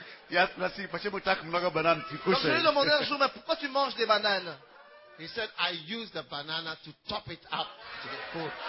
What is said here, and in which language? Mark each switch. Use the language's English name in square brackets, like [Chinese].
[Russian] Я спросил, почему так много банан ты кушаешь? [French] Je lui ai demandé un jour, mais pourquoi tu manges des bananes? [English] He said, I use the banana to top it up to the food.